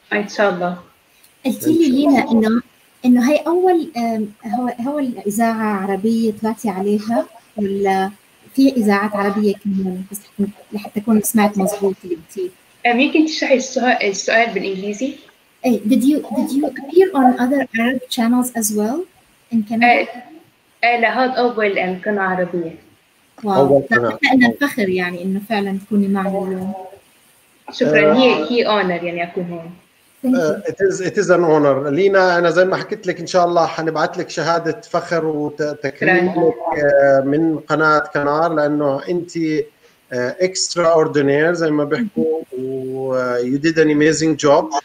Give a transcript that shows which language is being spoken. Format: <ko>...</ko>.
<ar>إن شاء الله. قلتي لي لينا إنه هي أول هو الإذاعة عربية طلعتي عليها، ولا في إذاعات عربية كمان بس لحتى أكون سمعت مظبوط اللي قلتيه؟ يمكن تشرحي السؤال بالإنجليزي؟ أي</ar> <en>did you appear on other Arab channels as well in Canada؟</en> <ar>لا هذا أول قناة عربية. واو، فإحنا الفخر يعني إنه فعلا تكوني معنا اليوم. شكرا، هي أونر يعني أكون هون.</ar> <en>It is an honor.</en> <ar>لينا أنا زي ما حكيت لك إن شاء الله حنبعت لك شهادة فخر وتكريم لك من قناة كنار، لأنه أنت extraordinary زي ما بيحكوا، و</ar> <en>you did an amazing job.</en>